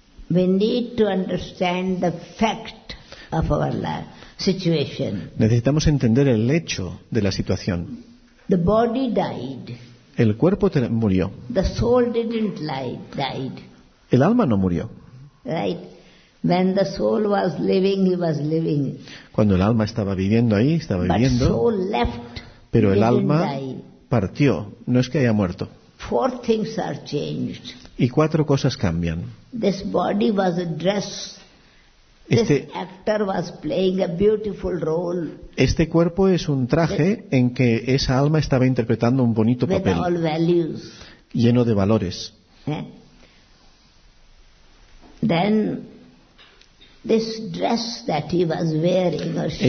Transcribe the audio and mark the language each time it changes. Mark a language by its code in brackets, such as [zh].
[en] We need to understand the fact of our situation. [es] Necesitamos entender el hecho de la situación. [en] The body died. [es] El cuerpo murió. [en] The soul didn't died. [es] El alma no murió. [en] Right. When the soul was living, he was living. [es] Cuando el alma estaba viviendo ahí, estaba viviendo. [en] But soul left, [es] pero el alma partió. No es que haya muerto. [en] Four things are changed. [es] Y cuatro cosas cambian. [en] This body was a dress. This actor was playing a beautiful role. [es] Este cuerpo es un traje en que esa alma estaba interpretando un bonito papel. [en] With all values. [es] Lleno de valores. [en] Then this dress that he was wearing, or she